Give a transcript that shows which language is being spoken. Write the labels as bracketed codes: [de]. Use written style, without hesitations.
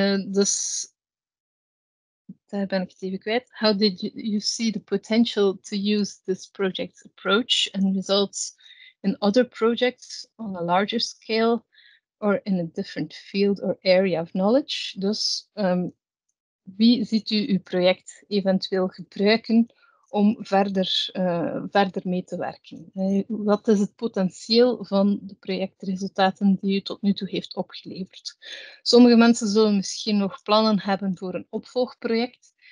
[nl] dus... Daar ben ik het even kwijt. [en] How did you see the potential to use this project's approach and results in other projects on a larger scale? Or in a different field or area of knowledge. [nl] Dus wie ziet u uw project eventueel gebruiken om verder mee te werken? Wat is het potentieel van de projectresultaten die u tot nu toe heeft opgeleverd? Sommige mensen zullen misschien nog plannen hebben voor een opvolgproject.